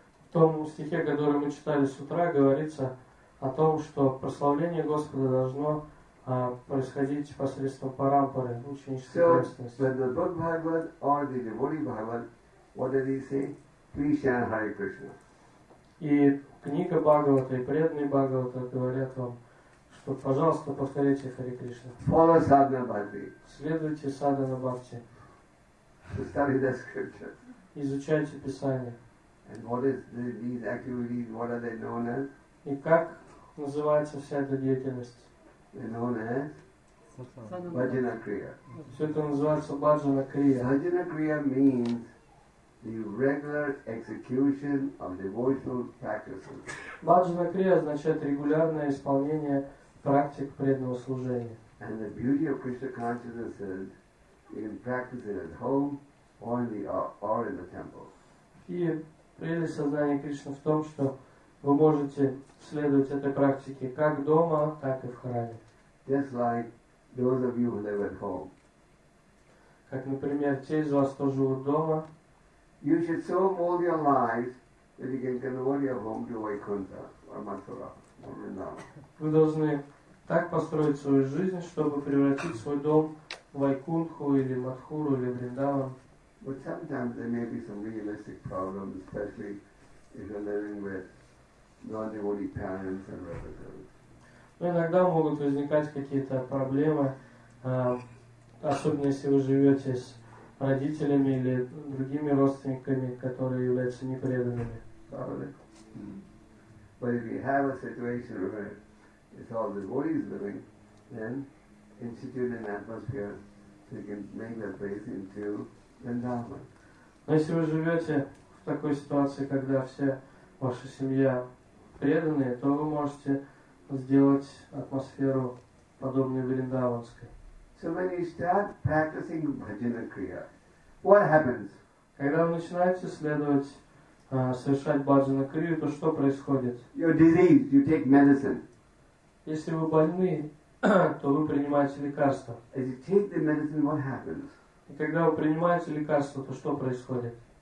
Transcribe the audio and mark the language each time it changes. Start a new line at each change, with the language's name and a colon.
Russian: В том стихе, который мы читали с утра, говорится о том, что прославление Господа должно происходить посредством парампары, ученической преданности. И книга Бхагавата и преданный Бхагавата говорят вам, что, пожалуйста, повторите Хари Кришна.
English: Follow Sadhana Bhakti.
Russian: Следуйте Sadhana Bhakti.
English: Study the scripture.
Russian: Изучайте Писание.
English: And what is these activities, what are they known as?
Russian: И как называется вся эта деятельность?
English: They're known as Bhajana Kriya.
Russian: Все это называется Bhajana Kriya.
English: Bhajana Kriya means the regular execution of devotional practices.
Russian: Bhajana Kriya означает регулярное исполнение практик преданного служения.
English: And the beauty of Krishna consciousness is you can practice it at home or in the temple.
Russian: И прелесть сознания Кришны в том, что вы можете следовать этой практике как дома, так и в храме.
English: Just like those of you who live at home.
Russian: Как, например, те из вас, кто живут дома.
English: You should so mold your life that you can convert your home to Vaikuntha or Mathura or Vrindavan.
Russian: Вы должны так построить свою жизнь, чтобы превратить свой дом в Вайкунху или Матхуру или Вриндаван.
English: But sometimes there may be some realistic problems, especially if you're living with non-devotee parents and relatives.
Russian: Но иногда могут возникать какие-то проблемы, особенно если вы живете с родителями или другими родственниками, которые являются непреданными.
English: But if you have a situation where it's all devotees living, then institute an atmosphere so you can make that place into Vrindavan.
Russian: Но если вы живете в такой ситуации, когда вся ваша семья преданные, то вы можете сделать атмосферу подобной Вриндаванской.
English: So when you start practicing Bhajana Kriya, what happens?
Russian: Когда вы начинаете следовать, совершать Bhajana Kriya, то что происходит?
English: You're diseased, you take medicine.
Russian: Если вы больны, то вы принимаете лекарства.
English: As you take the medicine, what happens?
Russian: И когда вы принимаете лекарства, то что происходит?